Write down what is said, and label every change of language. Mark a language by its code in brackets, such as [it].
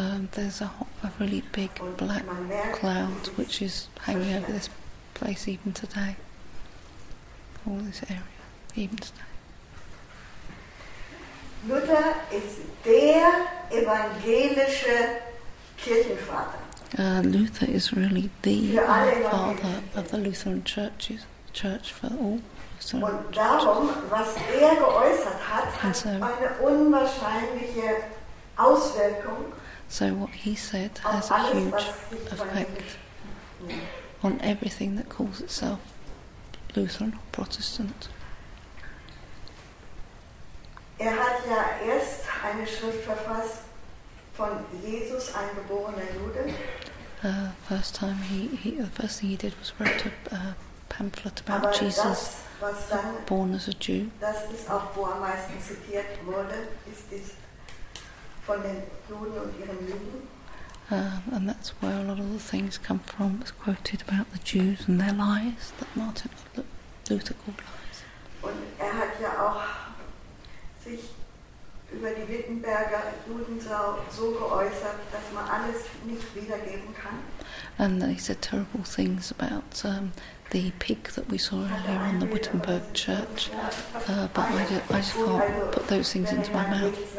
[en] There's a really big black cloud which is hanging over this place even today, all this area, even today. [de] Luther is der evangelische Kirchenvater. [en] Luther is really the father of the Lutheran churches. Church for all. So [de] und darum, was geäußert hat, hat eine unwahrscheinliche Auswirkung. [en] So what he said has a huge effect on everything that calls itself Lutheran or Protestant. [de] Er hat ja erst eine Schrift verfasst von Jesus, ein geborener Jude. [en] The first thing he did was write a pamphlet about [de] aber [en] Jesus, [de] das, dann, [en] born as a Jew. [de] Das ist auch, wo am meisten zitiert wurde, ist es von den Juden und ihren Lügen. [en] And that's where a lot of the things come from. It's quoted about the Jews and their lies that Martin Luther called lies. [de] Und er hat ja auch sich über die Wittenberger Judensau so geäußert, dass man alles nicht wiedergeben kann. [en] And he said terrible things about the pig that we saw earlier on the Wittenberg church, but I just can't put those things into my mouth.